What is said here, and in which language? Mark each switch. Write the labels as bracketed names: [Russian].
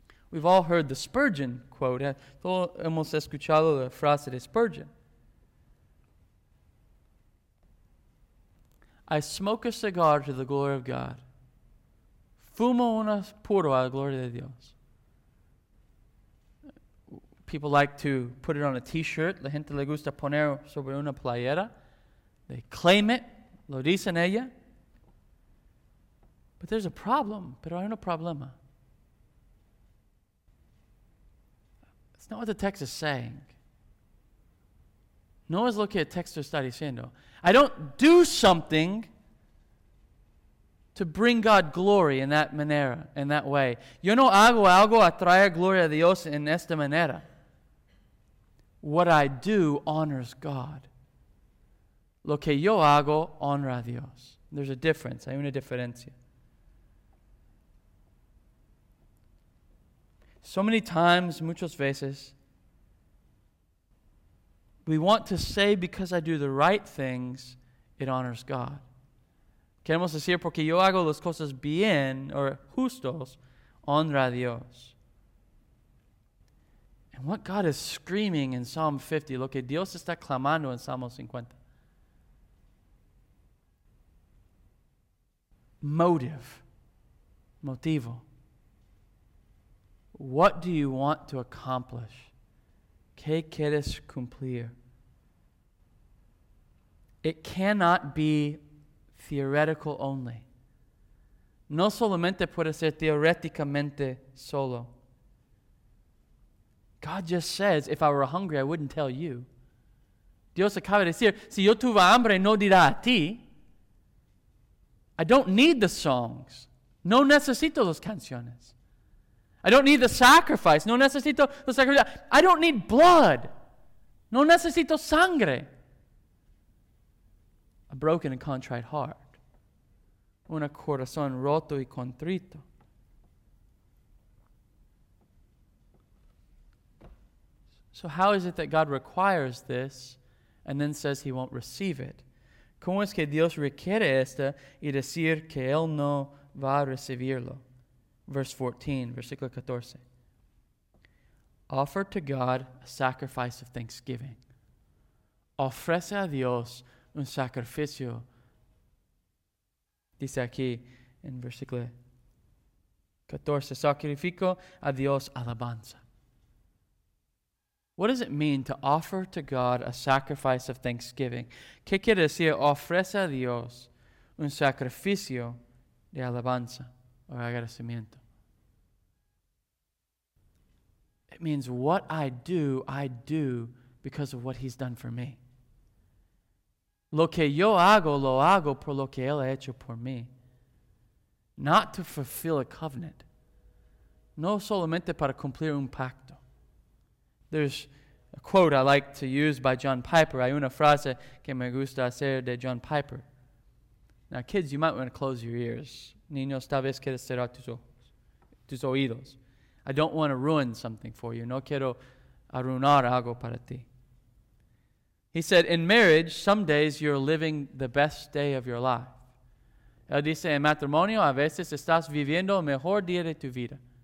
[English] We've all heard the Spurgeon quote. [Spanish] Todos hemos escuchado la frase de Spurgeon. [English] I smoke a cigar to the glory of God. [Spanish] Fumo un puro a la gloria de Dios. [English] People like to put it on a t-shirt. [Spanish] La gente le gusta poner sobre una playera. [English] They claim it. [Spanish] Lo dicen ella. [English] But there's a problem. [Spanish] Pero hay un problema. [English] It's not what the text is saying. [Spanish] No es lo que el texto está diciendo. [English] I don't do something to bring God glory in that manera, in that way. [Spanish] Yo no hago algo a traer gloria a Dios en esta manera. [English] What I do honors God. [Spanish] Lo que yo hago honra a Dios. [English] There's a difference. [Spanish] Hay una diferencia. [English] So many times, [Spanish] muchas veces, [English] we want to say because I do the right things, it honors God. [Spanish] Queremos decir porque yo hago las cosas bien, or justos, honra a Dios. [English] And what God is screaming in Psalm 50, [Spanish] lo que Dios está clamando en Salmo 50. Motivo. [English] What do you want to accomplish? [Spanish] ¿Qué quieres cumplir? [English] It cannot be theoretical only. [Spanish] No solamente puede ser teóricamente solo. [English] God just says, if I were hungry, I wouldn't tell you. [Spanish] Dios acaba de decir, si yo tuve hambre, no dirá a ti. [English] I don't need the songs. [Spanish] No necesito las canciones. [English] I don't need the sacrifice. [Spanish] No necesito los sacrificios. [English] I don't need blood. [Spanish] No necesito sangre. [English] A broken and contrite heart. [Spanish] Un corazón roto y contrito. [English] So how is it that God requires this and then says he won't receive it. [Spanish] ¿Cómo es que Dios requiere esto y decir que él no va a recibirlo? [English] Verse 14, [Spanish] versículo 14. [English] Offer to God a sacrifice of thanksgiving. [Spanish] Ofrece a Dios un sacrificio. Dice aquí en versículo 14, sacrifico a Dios alabanza. [English] What does it mean to offer to God a sacrifice of thanksgiving? [Spanish] ¿Qué quiere decir ofrece a Dios un sacrificio de alabanza o agradecimiento? [English] It means what I do because of what he's done for me. [Spanish] Lo que yo hago por lo que él ha hecho por mí. [English] Not to fulfill a covenant. [Spanish] No solamente para cumplir un pacto. [English] There's a quote I like to use by John Piper. [Spanish] Hay una frase que me gusta hacer de John Piper. [English] Now, kids, you might want to close your ears. [Spanish] Niños, tal vez quieres cerrar tus oídos. [English] I don't want to ruin something for you. [Spanish] No quiero arruinar algo para ti. [English] He said, in marriage, some days you're living the best day of your life. [Spanish] Él dice, en matrimonio, a veces estás viviendo el mejor día de tu vida.